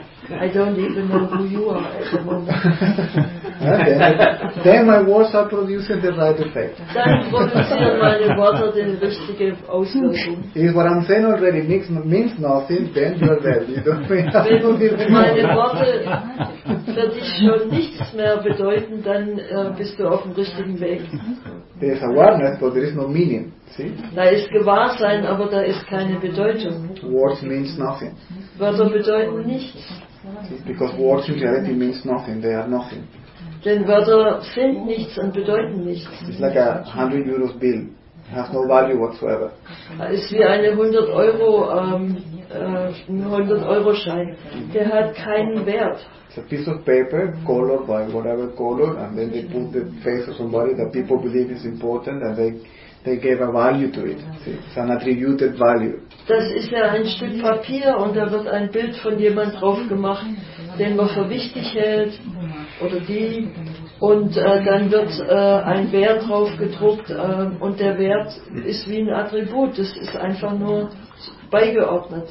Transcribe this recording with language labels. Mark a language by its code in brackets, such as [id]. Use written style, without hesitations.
[en] I don't even know who you are at the moment. Okay. Then my words are producing the right effect. [de] Dann produzieren meine Worte den richtigen Auswirkung. [en] If what I'm saying already means nothing, then you're dead. You don't mean nothing. [de] Wenn meine Worte für dich schon nichts mehr bedeuten, dann bist du auf dem richtigen Weg. [en] There is awareness, but there is no meaning. See? [de] Da ist Gewahrsein, aber da ist keine Bedeutung. [en] Words means nothing. [de] Wörter bedeuten nichts. [en] See? Because words in reality means nothing. They are nothing. [de] Denn Wörter sind nichts und bedeuten nichts. [en] It's like a 100 euro bill. It has no value whatsoever. [de] Es ist wie eine 100 euro Schein. Der hat keinen Wert. [en] It's a piece of paper, colored by whatever color, and then they put the face of somebody that people believe is important, and they gave a value to it. See? It's an attributed value. [de] Das ist ja ein Stück Papier, und da wird ein Bild von jemand drauf gemacht, den man für wichtig hält, oder die, und dann wird ein Wert drauf gedruckt, und der Wert ist wie ein Attribut. Das ist einfach nur beigeordnet.